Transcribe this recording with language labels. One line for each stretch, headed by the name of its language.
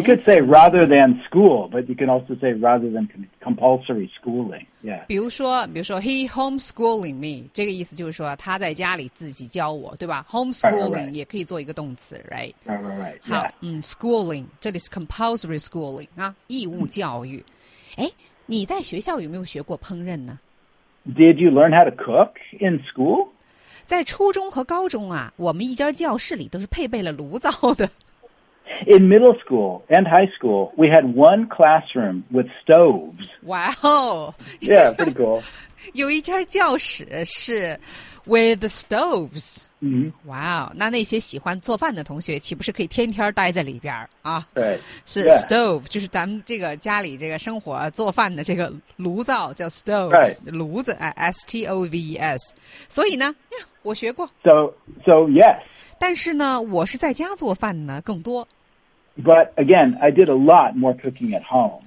English: you could say rather than school, but you can also say rather than compulsory schooling. Yeah.
Chinese: 比如说,
English: he homeschooling me.
Chinese: 这个意思就是说他在家里自己教我, 对吧? Homeschooling 也可以做一个动词, right?
English: Right.
Chinese: 好,
English: yeah.
Chinese: Schooling, 这里是
English: compulsory schooling,
Chinese: 义务教育。你在学校有没有学过烹饪呢?
English: Did you learn how to cook in school?
Chinese: 在初中和高中啊, 我们一家教室里都是配备了炉灶的。
English: In middle school and high school, we had one classroom with stoves. Wow. Yeah, pretty cool.
Chinese: 有一家教室是
English: with stoves. Mm-hmm. Wow.
Chinese: 那些喜欢做饭的同学岂不是可以天天待在里边?
English: Right.
Chinese: 是 stove, 就是咱们这个家里这个生活做饭的这个炉灶叫 stoves,
English: right.
Chinese: 炉子, S-T-O-V-E-S. 所以呢, 我学过。
English: So, yes.
Chinese: 但是呢, 我是在家做饭呢, 更多。
English: But again, I did a lot more cooking at home.